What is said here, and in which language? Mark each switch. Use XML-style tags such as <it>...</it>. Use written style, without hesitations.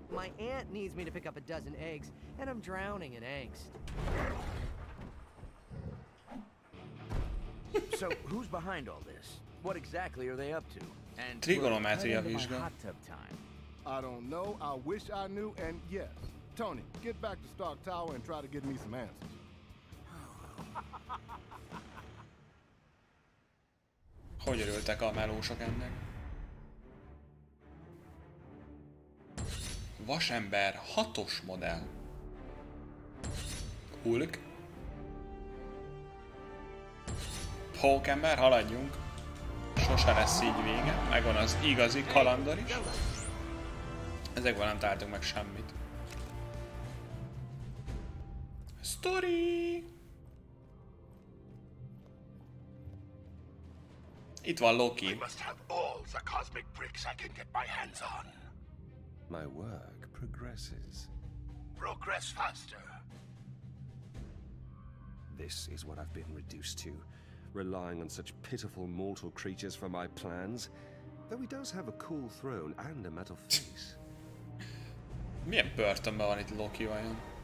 <en>My aunt needs me to pick up a dozen eggs, and I'm drowning in angst. So, who's behind all this? What exactly are they up to? And trigonometry</en> <hu>vizsga.</hu> <en>I don't know. I wish I knew. And yes, Tony, get back to Stark Tower and try to get me some answers.</en> <hu>Hogy örültek a melósok ennek? Vasember 6-os modell. Hulk. Pókember, haladjunk. Sose lesz így vége. Megvan az igazi kalandor is. Ezekben nem találtunk meg semmit. Story! Itt van Loki.</hu> <en>I must have all the cosmic bricks I can get my hands on. My work progresses. Progress faster. This is what I've been reduced to. Relying on such pitiful mortal creatures for my plans. Though he does have a cool throne and a metal face.</en> <hu>Milyen börtönben van itt Loki vajon?</hu>